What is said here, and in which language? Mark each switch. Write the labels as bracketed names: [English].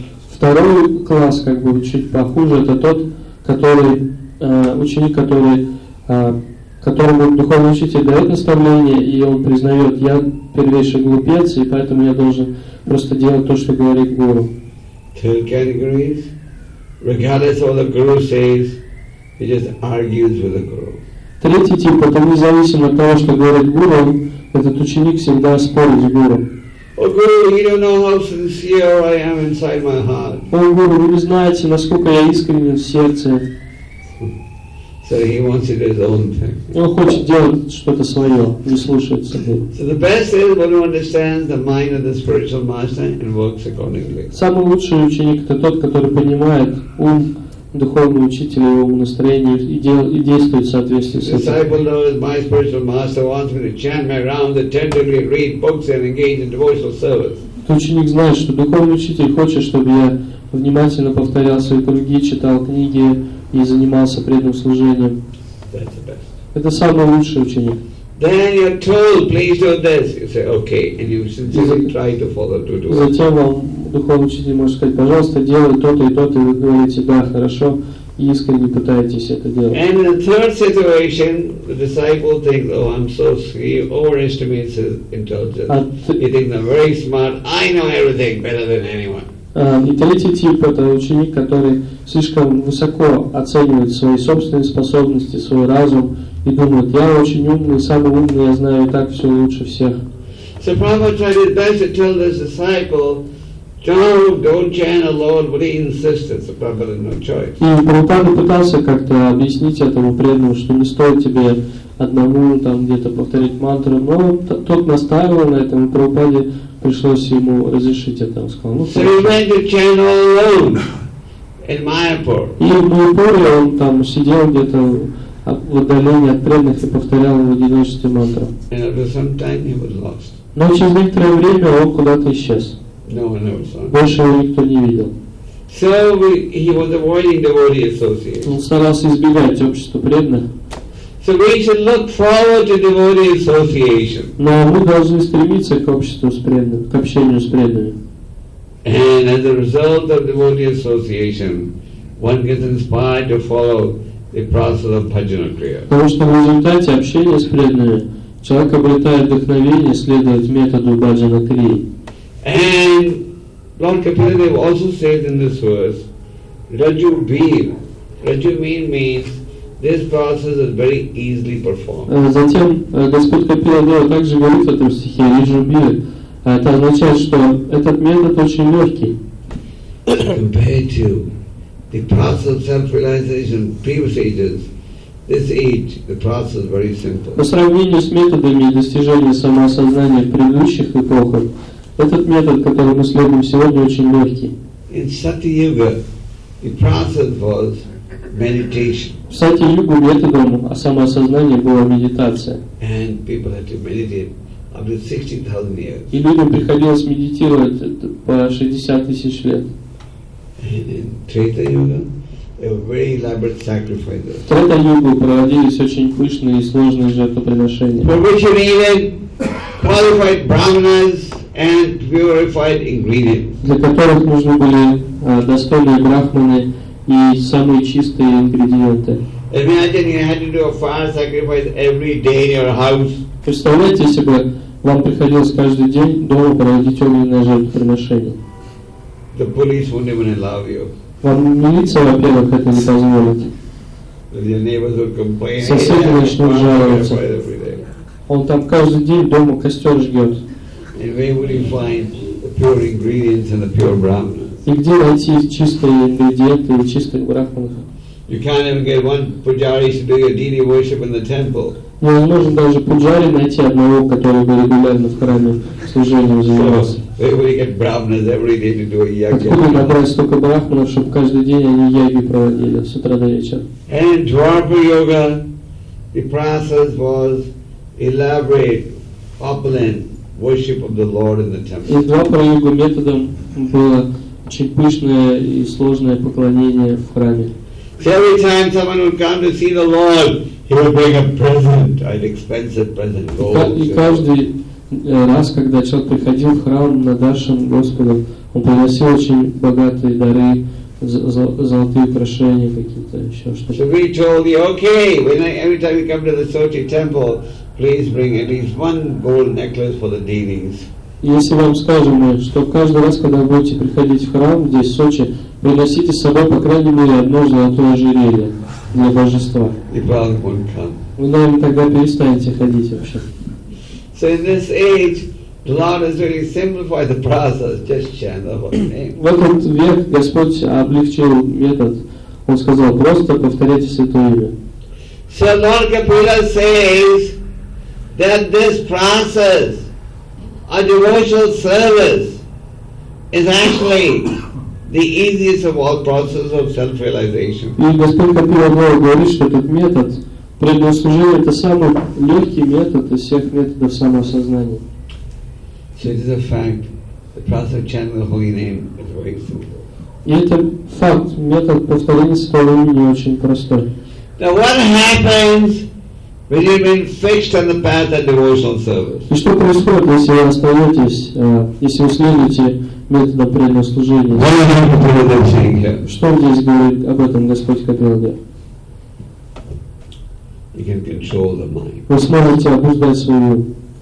[Russian] Второй класс, как бы чуть похуже, это тот, который ученик, который, которому духовный учитель дает наставление, и он признает, я первейший глупец, и поэтому я должен просто делать то, что говорит гуру. [English] Third category is, regardless of what the guru says, he just argues with the guru. [Russian] Третий тип, это независимо от того, что говорит гуру, этот ученик всегда спорит с гуру. [English] Oh Guru, you don't know how sincere I am inside my heart. Oh Guru, [Russian] вы не знаете, насколько я искренен в сердце. [English] So he wants it his own thing. [Russian] Он хочет делать что-то своё, не слушать себя. [English] So the best is when one understands the mind of the spiritual master and works accordingly. [Russian] Самый лучший ученик — это тот, который понимает ум духовного учителя, его настроение и действует в соответствии с этим. [English] Disciple knows my spiritual master wants me to chant my rounds attentively, read books and engage in devotional service. [Russian] Ученик знает, что духовный учитель хочет, чтобы я внимательно повторял свои круги, читал книги и занимался преданным служением. Это самый лучший ученик. [English] Then you're told, please do this. You say, okay, and you sincerely try to follow to do it. [Russian] Затем вам духовный учитель может сказать, пожалуйста, делай то-то и то-то, и вы говорите, да, хорошо, и искренне пытаетесь это делать. [English] And in the third situation, the disciple thinks, oh, I'm so sweet, he overestimates his intelligence. He thinks I'm very smart, I know everything better than anyone. [Russian] И третий тип — это ученик, который слишком высоко оценивает свои собственные способности, свой разум и думает, я очень умный, самый умный, я знаю и так все лучше всех. [English] So Prabhupada tried his best to tell this disciple, don't chant the Lord, but he insisted, so Prabhupada had no choice. [Russian] И Прабхупада пытался как-то объяснить этому преданному, что не стоит тебе одному там где-то повторить мантру, но тот настаивал на этом, и Прабхупаде пришлось ему разрешить это. Он сказал, ну, [English] so he went to chant all alone in Mayapur. [Russian] И в Майпуре он там сидел где-то в отдалении от преданных и повторял в одиночестве мантру. [English] And after some time he was lost. [Russian] Но через некоторое время он куда-то исчез. [English] No one ever saw. [Russian] Больше его никто не видел. [English] So he was avoiding devotee association. [Russian] Он старался избегать общества преданных. [English] So we should look forward to devotee association. [Russian] Но мы должны стремиться к обществу с преданными, к общению с преданными. [English] And as a result of devotee association, one gets inspired to follow the process of bhajana kriya. [Russian] Потому что в результате общения с преданными человек обретает вдохновение следовать методу бхаджана крии. [English] And Lord Kapila also says in this verse, Raju Bhim. Raju Bhim means this process is very easily performed. [Russian] Затем Господь Капила Дева также говорит в этом стихе, Риджубир. Это означает, что этот метод очень легкий. [English] Compared to the process of self-realization previous ages, this age, the process is very simple. [Russian] По сравнению с методами достижения самоосознания предыдущих эпох, этот метод, который мы следуем сегодня, очень легкий. [English] In Satyayuga, the process was meditation. [Russian] В Сати-югу методом самоосознания была медитация. [English] And people had to meditate up to 60,000 years. [Russian] И людям приходилось медитировать по 60 тысяч лет. [English] And in Трета-юга, there were very elaborate sacrifices. [Russian] В Трета-югу проводились очень пышные и сложные жертвоприношения. [English] For which you needed qualified brahmanas and purified ingredients. [Russian] Для которых нужны были достойные брахманы и самые чистые ингредиенты. [English] Imagine you had to do a fire sacrifice every day in your house. [Russian] Представляете, если бы вам приходилось каждый день дома проводить огненное жертвоприношение? [English] The police wouldn't even allow you. [Russian] Вам милиция, во-первых, это не позволит. [English] Your neighbors would complain. [Russian] Соседи начнут жаловаться. Он там каждый день дома костер жгет. [English] And where would you find the pure ingredients and the pure brahmana? [Russian] И где найти чистые ингредиенты и чистых брахманов? [English] You can't even get one pujari to do your deity worship in the temple. [Russian] Не можем даже пуджари найти одного, который бы регулярно в храме служением занимался. [English] Where would you get brahmanas every day to do a yajna? [Russian] Откуда набрать столько брахманов, чтобы каждый день они яги проводили с утра до вечера? [English] And Dwarpa Yoga, the process was elaborate, opulent worship of the Lord in the temple. [Russian] И Dwarpa Yoga методом было очень пышное и сложное поклонение в храме. [English] Every time someone would come to see the Lord, he would bring a present, an expensive present, gold. [Russian] И каждый раз, когда человек приходил в храм на даршан Господу, он приносил очень богатые дары, золотые украшения какие-то, еще что-то. [English] So we told you, okay, every time you come to the Sochi temple, please bring at least one gold necklace for the deities. [Russian] Если вам скажем, что каждый раз, когда вы будете приходить в храм здесь, в Сочи, приносите с собой, по крайней мере, одно золотое ожерелье для божества. Вы, наверное, тогда перестанете ходить вообще. [English] So in this age, the Lord has really simplified the process, just chant the Holy Name. [Russian] В этот век Господь облегчил метод. Он сказал, просто повторяйте святое имя. [English] So Lord Kapila says that this process of devotional service is actually the easiest of all processes of self-realization. [Russian] И Господь Капила говорит, что этот метод предослужил это самый легкий метод из всех методов самосознания. [English] So it is a fact. The process of chanting the holy name is very simple. [Russian] И это факт, метод повторения святого имени очень простой. [English] Now what happens when you've been fixed on the path of devotional service? [Russian] И что происходит, если вы остаетесь, если вы следуете методам предослужения? Что здесь говорит об этом Господь Капила? Вы сможете обуздать свой ум.